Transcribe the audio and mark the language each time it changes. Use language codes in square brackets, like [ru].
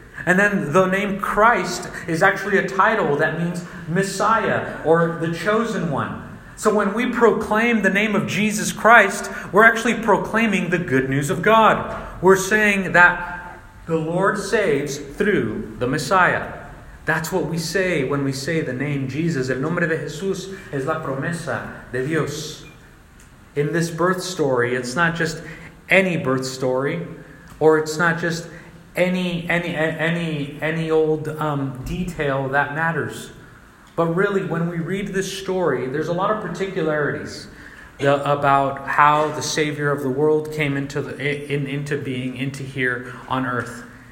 [en] And then the name Christ is actually a title that means Messiah or the chosen one. So when we proclaim the name of Jesus Christ, we're actually proclaiming the good news of God. We're saying that the Lord saves through the Messiah. That's what we say when we say the name Jesus. [es] El nombre de Jesús es la promesa de Dios. [en] In this birth story, it's not just any birth story, or it's not just any old detail that matters. But really, when we read this story, there's a lot of particularities about how the Savior of the world came into here on earth.